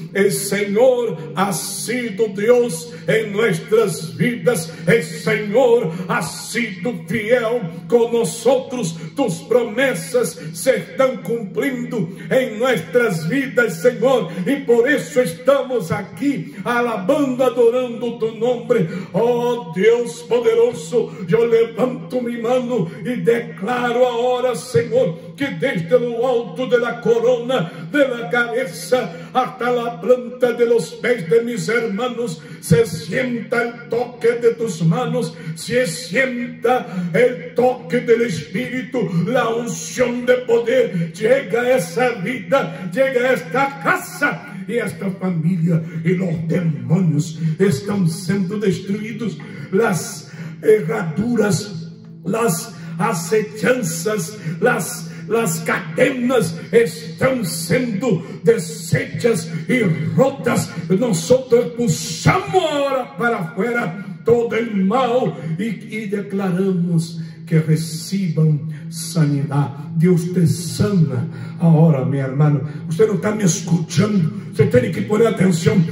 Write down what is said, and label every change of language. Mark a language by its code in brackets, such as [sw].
[pt] O Senhor [es] ha sido [pt] Deus em nossas vidas. O Senhor [es] ha sido [pt] fiel conosco. [es] Tus [pt] promessas se estão cumprindo em nossas vidas, Senhor. E por isso estamos aqui [es] alabando, [pt] adorando tu nome. Oh Deus poderoso, eu levanto minha mão e declaro agora, Senhor, que desde o alto da corona, da cabeça, até a planta [es] de los pés de mis hermanos, se sienta [pt] el toque de tus manos, se sienta [es] el toque del Espíritu, la unción de poder, llega a esa vida, llega a esta casa y esta familia, y los demonios están siendo destruidos, las herraduras, las acechanzas, las cadenas [pt] estão sendo [es] desechas e rotas. [pt] Nós puxamos agora para fora todo o mal e declaramos que recebam sanidade. Deus te sana agora, meu irmão. Você não está me escutando, você tem que pôr atenção.